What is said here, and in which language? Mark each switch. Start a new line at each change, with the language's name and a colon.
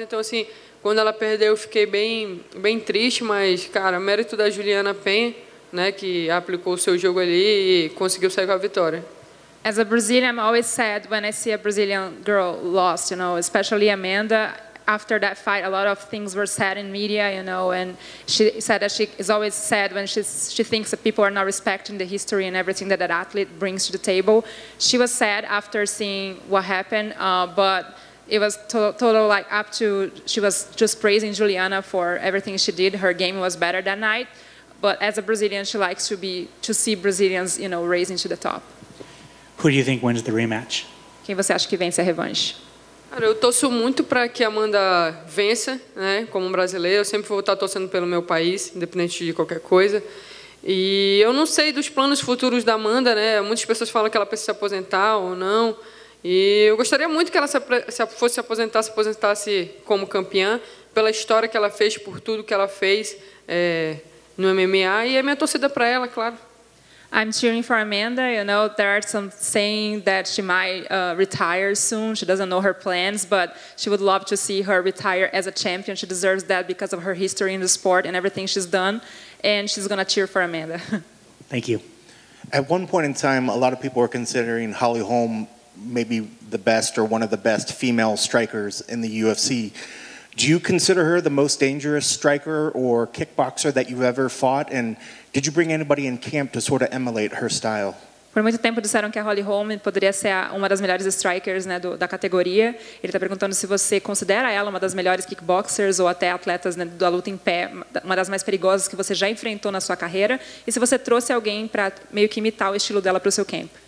Portuguese: Então, assim, quando ela perdeu, eu fiquei bem, bem triste. Mas, cara, mérito da Juliana Penha, né, que aplicou o seu jogo ali e conseguiu sair com a vitória.
English: As a Brazilian, I'm always sad when I see a Brazilian girl lost, you know, especially Amanda. After that fight, a lot of things were said in media, you know, and she said that she is always sad when she thinks that people are not respecting the history and everything that athlete brings to the table. She was sad after seeing what happened, but it was total like up to, she was just praising Juliana for everything she did. Her game was better that night, but as a Brazilian, she likes to see Brazilians, you know, raising to the top. Who do you think wins the rematch?
Portuguese: Quem você acha que vence a revanche? Cara, eu torço muito para que a Amanda vença, né, como brasileira. Eu sempre vou estar torcendo pelo meu país, independente de qualquer coisa. E eu não sei dos planos futuros da Amanda, né? Muitas pessoas falam que ela precisa se aposentar ou não. E eu gostaria muito que ela se aposentasse como campeã, pela história que ela fez, por tudo que ela fez no MMA. E é minha torcida para ela, claro.
English: I'm cheering for Amanda. You know, there are some saying that she might retire soon. She doesn't know her plans, but she would love to see her retire as a champion. She deserves that because of her history in the sport and everything she's done. And she's going to cheer for Amanda. Thank you. At one point in time, a lot of people were considering Holly Holm maybe the best or one of the best female strikers in the UFC. Do you consider her the most dangerous striker or kickboxer that you've ever fought? And did you bring anybody in camp to sort of emulate her style?
Portuguese: Por muito tempo disseram que a Holly Holm poderia ser uma das melhores strikers, né, da categoria. Ele está perguntando se você considera ela uma das melhores kickboxers ou até atletas, né, da luta em pé, uma das mais perigosas que você já enfrentou na sua carreira, e se você trouxe alguém para meio que imitar o estilo dela para o seu camp.